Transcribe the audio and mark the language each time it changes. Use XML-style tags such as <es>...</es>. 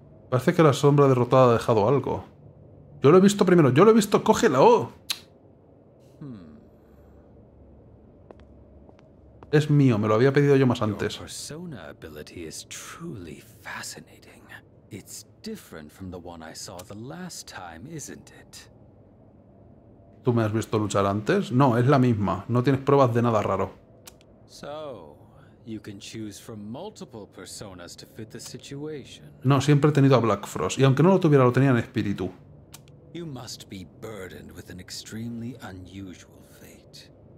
<es>Parece que la sombra derrotada ha dejado algo. Yo lo he visto primero, yo lo he visto, cógela, oh. Es mío, me lo había pedido yo más antes. Tu persona habilidad es realmente fascinante.</es> <en>It's different from the one I saw the last time, isn't it?</en> <es>¿Tú me has visto luchar antes? No, es la misma. No tienes pruebas de nada raro.</es> <en>So, you can choose from multiple personas to fit the situation.</en> <es>No, siempre he tenido a Black Frost, y aunque no lo tuviera, lo tenía en espíritu.</es> <en>You must be burdened with an extremely unusual fate.</en>